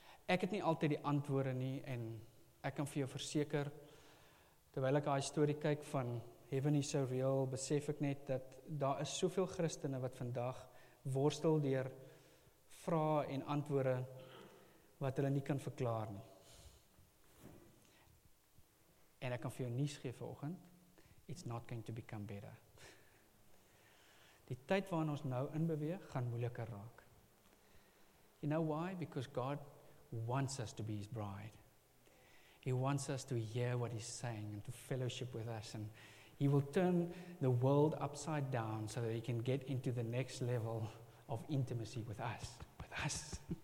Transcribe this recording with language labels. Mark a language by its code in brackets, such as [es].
[af] Ek het nie altyd die antwoorde nie en ek kan vir jou verseker, terwyl ek daai storie kyk van Heaven is so real, besef ek net dat daar is soveel Christene wat vandag worstel deur vrae en antwoorde wat hulle nie kan verklaar nie. En ek kan vir jou nuus gee vanoggend, [en] it's not going to become better. [af] Die tyd waarin ons nou inbeweeg, gaan moeiliker raak. [en] You know why? Because God wants us to be his bride. He wants us to hear what he's saying and to fellowship with us and he will turn the world upside down so that he can get into the next level of intimacy with us. With us.